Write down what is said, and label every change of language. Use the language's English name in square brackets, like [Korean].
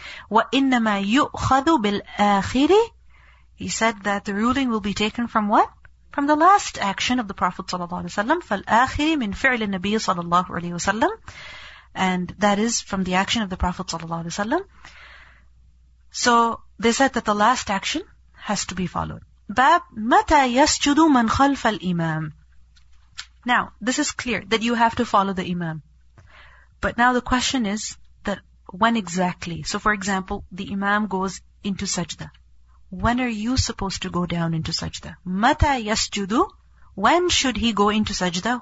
[Arabic] وَإِنَّمَا يُؤْخَذُ بِالْآخِرِ, [English] he said that the ruling will be taken from what? From the last action of the Prophet ﷺ. [Arabic] فَالْآخِرِ مِنْ فِعْلِ النَّبِيِّ صَلَى اللَّهُ عَلَيْهِ وَسَلَّمْ, [English] and that is from the action of the Prophet ﷺ. So they said that the last action has to be followed. [Arabic] باب متى يسجد من خلف الإمام. [English] Now, this is clear that you have to follow the Imam. But now the question is that when exactly? So for example, the Imam goes into sajda. When are you supposed to go down into sajda? [Arabic] متى يسجد, [English] when should he go into sajda?